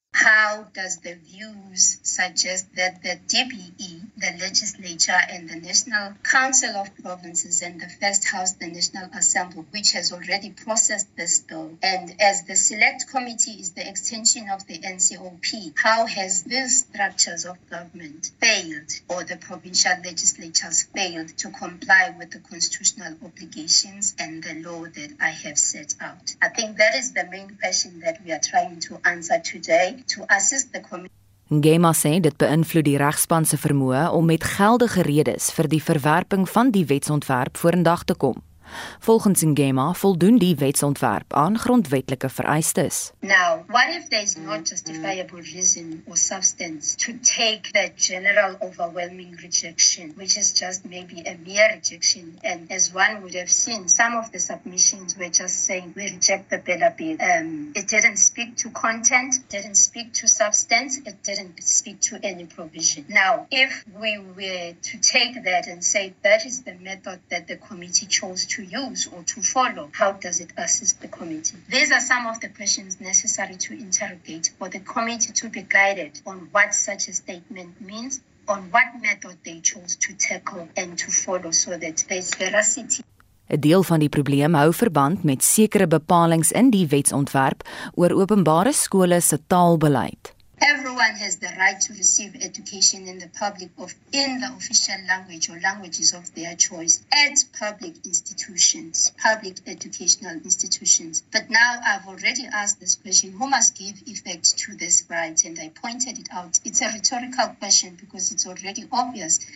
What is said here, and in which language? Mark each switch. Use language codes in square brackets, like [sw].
[en] How does the views suggest that the DPE, the legislature and the National Council of Provinces and the First House, the National Assembly, which has already processed this bill, and as the select committee is the extension of the NCOP, how has these structures of government failed or the provincial legislatures failed to comply with the constitutional obligations and the law that I have set out? I think that is the main question that we are trying to answer today. [af] Ngema sê dit beïnvloed die regspan se vermoë om met geldige redes vir die verwerping van die wetsontwerp vorendag te kom. Volgens Ngema voldoen die wetsontwerp aan grondwetlike vereistes. [en] Now, what if there is not justifiable reason or substance to take the general overwhelming rejection, which is just maybe a mere rejection? And as one would have seen, some of the submissions were just saying, we reject the BELLA bill. It didn't speak to content, didn't speak to substance, it didn't speak to any provision. Now, if we were to take that and say that is the method that the committee chose to use or to follow, how does it assist the committee? These are some of the questions necessary to interrogate for the committee to be guided on what such a statement means, on what method they chose to tackle and to follow so that there's veracity. [af] 'n Deel van die probleem hou verband met sekere bepalings in die wetsontwerp oor openbare skole se taalbeleid. [en] Everyone has the right to receive education in the public of in the official language or languages of their choice at public institutions, public educational institutions. But now I've already asked this question, who must give effect to this right? And I pointed it out. It's a rhetorical question because it's already obvious.